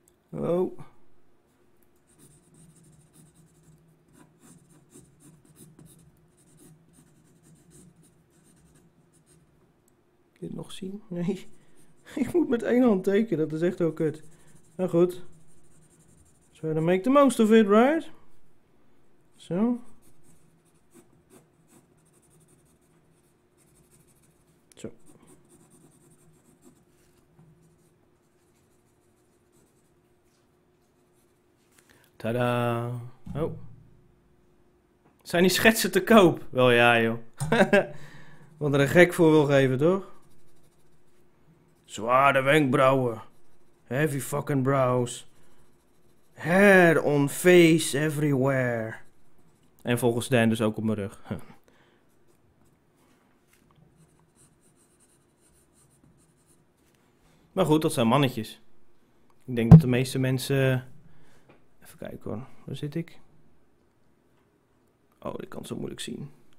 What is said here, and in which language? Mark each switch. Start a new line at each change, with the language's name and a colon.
Dutch: Oh. Dit nog zien? Nee. Ik moet met één hand tekenen, dat is echt heel kut. Nou goed.
English: Try to make the most of it, right?
Dutch: Zo. Zo. Tada. Oh. Zijn die schetsen te koop? Wel ja, joh. Wat er een gek voor wil geven, toch? Zware wenkbrauwen.
English: Heavy fucking brows. Hair on face everywhere.
Dutch: En volgens Dan dus ook op mijn rug. Maar goed, dat zijn mannetjes. Ik denk dat de meeste mensen... Even kijken hoor, waar zit ik? Oh, ik kan het zo moeilijk zien.